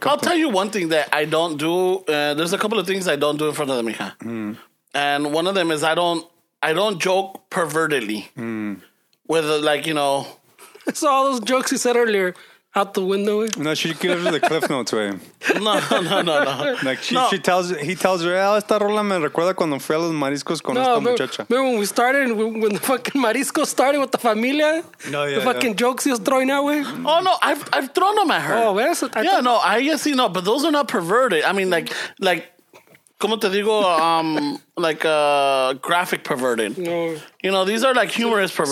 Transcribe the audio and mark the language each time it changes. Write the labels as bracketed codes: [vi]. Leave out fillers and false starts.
[en] I'll tell you one thing that I don't do. There's a couple of things I don't do in front of the mija. And one of them is I don't joke pervertedly. With, like, you know... So all those jokes you said earlier, out the window? No, she gives her the cliff notes, way. No. Like, he tells her, [es] esta rola me recuerda cuando fui a los mariscos con esta muchacha. [en] Remember when we started, when the fucking mariscos started with the familia? No, yeah, the fucking jokes he was throwing out, way? Oh, no, I've thrown them at her. Oh, where is it? I guess, but those are not perverted. I mean, like... [es] Como te digo, [en] graphic perverted. No. You know, these are like humorous perverted.